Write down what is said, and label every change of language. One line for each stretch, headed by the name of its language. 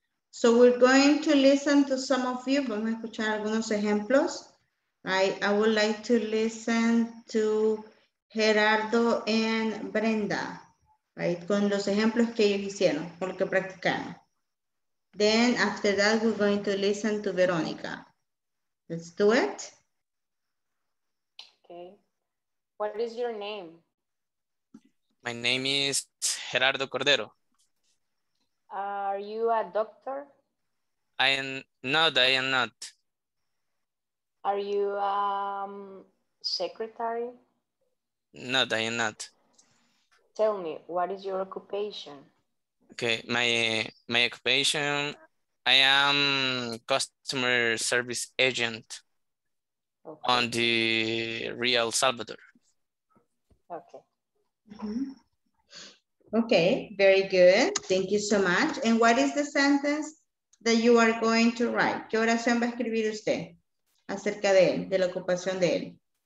English: So we're going to listen to some of you.
Spanish: Vamos a escuchar algunos ejemplos.
English: I would like to listen to Gerardo and Brenda, right?
Spanish: Con los ejemplos que ellos hicieron, con lo que practicaron.
English: Then after that, we're going to listen to Veronica. Let's do it. Okay. What is your name? My name is Gerardo Cordero. Are you a doctor? I am not. Are you a secretary? No, I am not. Tell me, what is your occupation? Okay, my occupation, I am customer service agent on the Real Salvador. Okay. Mm-hmm. Okay, very good. Thank you so much. And what is the sentence that you are going to write?
Spanish: ¿Qué oración va a escribir usted acerca de él, de la ocupación de él?